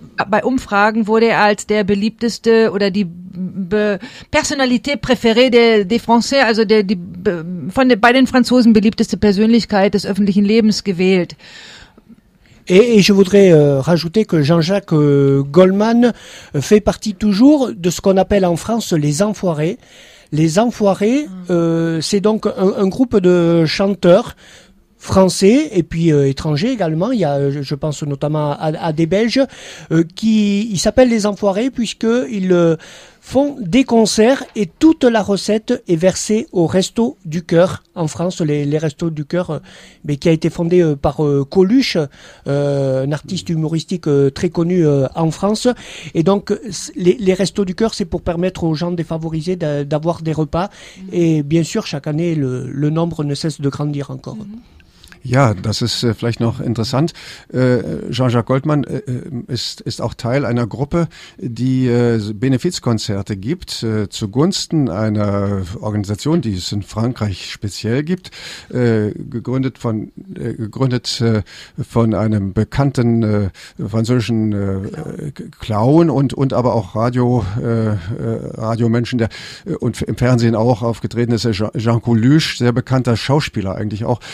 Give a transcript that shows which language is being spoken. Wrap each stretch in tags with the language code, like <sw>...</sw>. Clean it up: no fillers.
<de>Bei Umfragen wurde er als der beliebteste oder die</de> <fr>Personalité préférée des Français,</fr> <de>also bei den Franzosen beliebteste Persönlichkeit des öffentlichen Lebens gewählt.</de> <fr>Et je voudrais rajouter que Jean-Jacques Goldman fait partie toujours de ce qu'on appelle en France les Enfoirés. Les Enfoirés, c'est donc un groupe de chanteurs français et puis étrangers également. Il y a, je pense notamment à des Belges, ils s'appellent les Enfoirés puisqu'ils font des concerts et toute la recette est versée au Resto du Cœur en France, les Restos du Cœur, mais qui a été fondé par Coluche, un artiste humoristique très connu en France. Et donc les Restos du Cœur, c'est pour permettre aux gens défavorisés d'avoir des repas. Et bien sûr, chaque année, le nombre ne cesse de grandir encore.</fr> <de>Ja, das ist vielleicht noch interessant. Jean-Jacques Goldman ist auch Teil einer Gruppe, die Benefizkonzerte gibt zugunsten einer Organisation, die es in Frankreich speziell gibt, gegründet von einem bekannten französischen Clown und aber auch Radiomenschen, der und im Fernsehen auch aufgetreten ist, Jean Coluche, sehr bekannter Schauspieler eigentlich auch.</de>